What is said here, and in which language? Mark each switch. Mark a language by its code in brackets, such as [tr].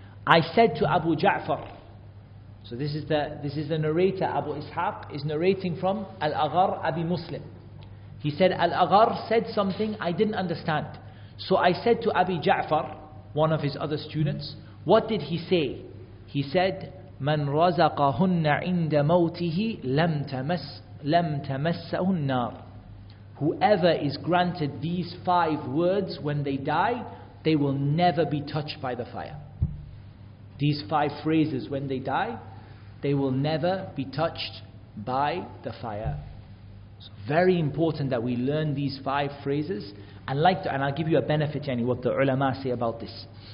[en] I said to Abu Ja'far, so this is the narrator, Abu Ishaq is narrating from Al-Aghar Abi Muslim. He said, Al-Aghar said something I didn't understand. So I said to Abi Ja'far, one of his other students, what did he say? He said, [ar] مَنْ رَزَقَهُنَّ عِنْدَ مَوْتِهِ لَمْ تَمَسَّهُ النَّارِ. [en] Whoever is granted these five words when they die, they will never be touched by the fire. These five phrases when they die, they will never be touched by the fire. It's very important that we learn these five phrases. And I'll give you a benefit, yani, what the ulama say about this.